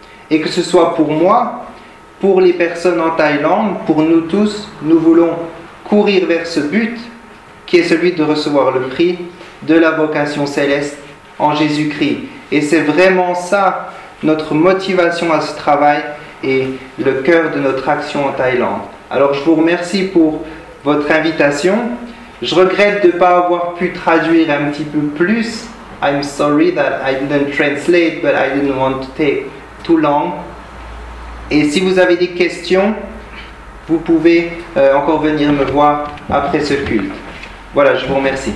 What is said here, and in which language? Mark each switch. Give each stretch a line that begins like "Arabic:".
French: Et que ce soit pour moi, pour les personnes en Thaïlande, pour nous tous, nous voulons courir vers ce but qui est celui de recevoir le prix de la vocation céleste en Jésus-Christ. Et c'est vraiment ça notre motivation à ce travail et le cœur de notre action en Thaïlande. Alors je vous remercie pour votre invitation. Je regrette de ne pas avoir pu traduire un petit peu plus.
English: I'm sorry that I didn't translate, but I didn't want to take too long.
French: Et si vous avez des questions, vous pouvez encore venir me voir après ce culte. Voilà, je vous remercie.